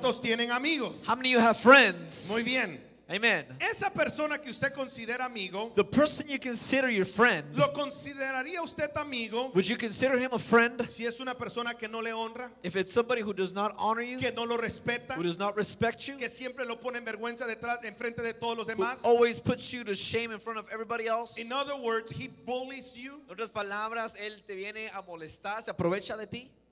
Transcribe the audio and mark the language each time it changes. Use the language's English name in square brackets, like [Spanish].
[Spanish] ¿Cuántos tienen amigos? [English] How many of you have friends? [Spanish] Muy bien. [English] Amen. [Spanish] Esa persona que usted considera amigo, [English] the person you consider your friend, [Spanish] lo consideraría usted amigo, [English] would you consider him a friend? [Spanish] Si es una persona que no le honra, [English] if it's somebody who does not honor you, [Spanish] que no lo respeta, [English] who does not respect you, [Spanish] que siempre lo pone en vergüenza detrás, en frente de todos los demás, [English] who always puts you to shame in front of everybody else. In other words, he bullies you. [Spanish] En otras palabras, él te viene a molestar, se aprovecha de ti.